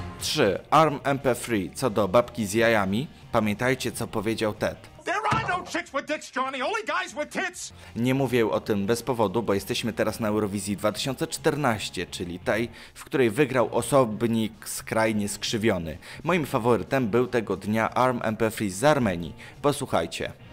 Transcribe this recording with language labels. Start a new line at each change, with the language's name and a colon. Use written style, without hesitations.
Polish: 3. Arm MP3. Co do babki z jajami, pamiętajcie, co powiedział Ted.
English: There are no chicks with dicks, Johnny, only guys with tits.
Polish: Nie mówię o tym bez powodu, bo jesteśmy teraz na Eurowizji 2014, czyli tej, w której wygrał osobnik skrajnie skrzywiony. Moim faworytem był tego dnia Arm MP3 z Armenii. Posłuchajcie.